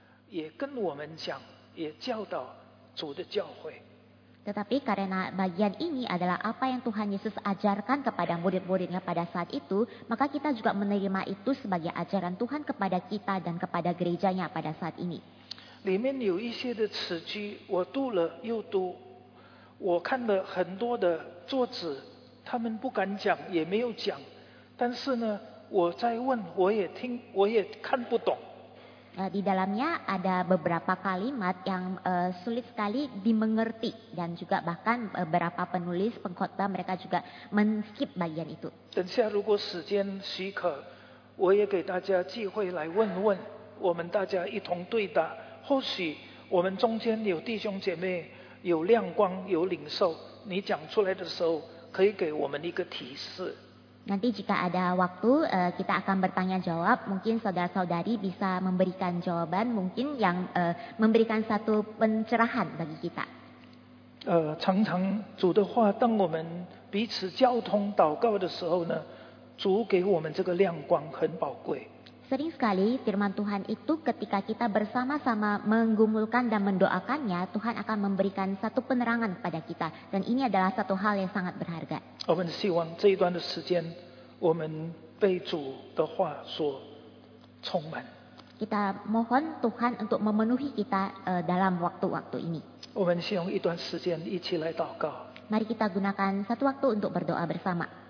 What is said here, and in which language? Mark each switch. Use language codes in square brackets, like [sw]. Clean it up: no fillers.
[zh] 也跟我们讲，也教导主的教会。 [id] Tetapi karena bagian ini adalah apa yang Tuhan Yesus ajarkan kepada murid-muridnya pada saat itu, maka kita juga menerima itu sebagai ajaran Tuhan kepada kita dan kepada gerejanya pada saat ini. [zh] 里面有一些的词句，我读了又读，我看了很多的作者，他们不敢讲，也没有讲，但是呢，我在问，我也听，我也看不懂。 [id] Di dalamnya ada beberapa kalimat yang sulit sekali dimengerti dan juga bahkan beberapa penulis pengkhotbah mereka juga men-skip bagian itu. [zh] 等下如果时间许可，我也给大家机会来问问，我们大家一同对答。或许我们中间有弟兄姐妹有亮光有领受，你讲出来的时候可以给我们一个提示。 [id] Nanti jika ada waktu, kita akan bertanya jawab. Mungkin saudara-saudari bisa memberikan jawaban, mungkin yang memberikan satu pencerahan bagi kita. [zh] 常常主的话，当我们彼此交通祷告的时候呢，主给我们这个亮光很宝贵。 [id] Sering sekali firman Tuhan itu ketika kita bersama-sama menggumulkan dan mendoakannya, Tuhan akan memberikan satu penerangan kepada kita. Dan ini adalah satu hal yang sangat berharga. [zh] 我们希望这一段的时间我们被主的话所充满。 [id] Kita mohon Tuhan untuk memenuhi kita dalam waktu-waktu ini. [zh] 我们先用一段时间一起来祷告。 [id] Mari kita gunakan satu waktu untuk berdoa bersama.